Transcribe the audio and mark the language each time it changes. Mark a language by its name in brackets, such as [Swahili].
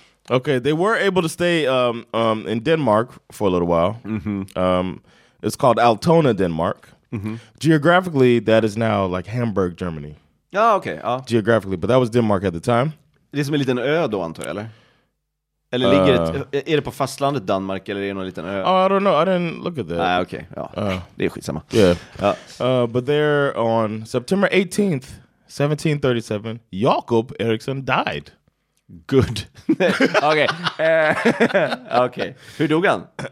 [English] Okay, they were able to stay in Denmark for a little while. Mm-hmm. It's called Altona, Denmark. Geographically, that is now like Hamburg, Germany. Ah, okay. Ah. Geographically, but that was Denmark at the time. [Swedish] Det är som en liten ö då, antar jag, eller? Eller ligger det, är det på fastlandet Danmark eller är det någon liten ö? [English] Oh, I don't know. I didn't look at that. [Swedish] Nej, okej. Det är skitsamma. [English] Yeah. But there on September 18th, 1737, Jakob Eriksson died. [Swedish] Good. Okej. Okay. Hur dog han?